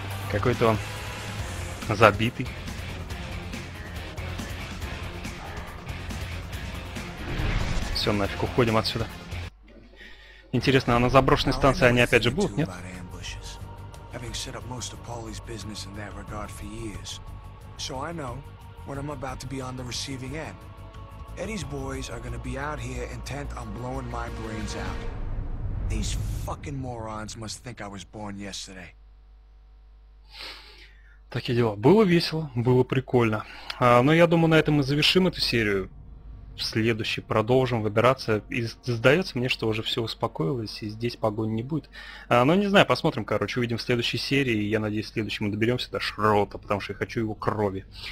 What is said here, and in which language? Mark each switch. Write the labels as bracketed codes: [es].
[ru] Какой-то он забитый. Все, нафиг, уходим отсюда. Интересно, а на заброшенной станции они опять же будут, нет? [en] Having set up most of Paulie's business in that regard for years. So I know when I'm about to be on the receiving end. Eddie's boys are gonna be out here intent on blowing my brains out. These fucking morons must think I was born yesterday. [ru] Такие дела. Было весело, было прикольно. Но я думаю, на этом мы завершим эту серию. В следующий продолжим выбираться. И сдается мне, что уже все успокоилось, и здесь погони не будет. Но не знаю, посмотрим, короче, увидим в следующей серии. И я надеюсь, в следующем мы доберемся до Шрота, потому что я хочу его крови.